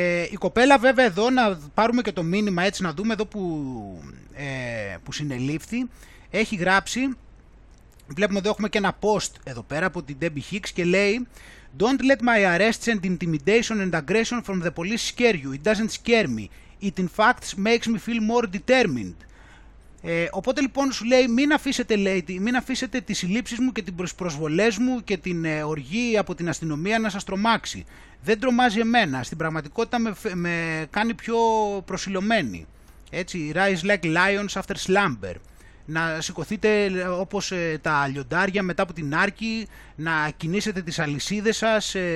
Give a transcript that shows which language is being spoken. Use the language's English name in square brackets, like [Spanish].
[Greek] Η κοπέλα βέβαια εδώ, να πάρουμε και το μήνυμα έτσι να δούμε εδώ που συνελήφθη, έχει γράψει, βλέπουμε εδώ έχουμε και ένα post εδώ πέρα από την Debbie Hicks και λέει [English] «Don't let my arrests and intimidation and aggression from the police scare you. It doesn't scare me. It in fact makes me feel more determined». [Greek] Οπότε λοιπόν σου λέει, μην αφήσετε τις συλλήψεις μου και τις προσβολές μου και την οργή από την αστυνομία να σας τρομάξει. Δεν τρομάζει εμένα, στην πραγματικότητα με κάνει πιο προσιλωμένη. [English] Έτσι, rise like lions after slumber. [Greek] Να σηκωθείτε όπως τα λιοντάρια μετά από την άρκη, να κινήσετε τις αλυσίδες σας.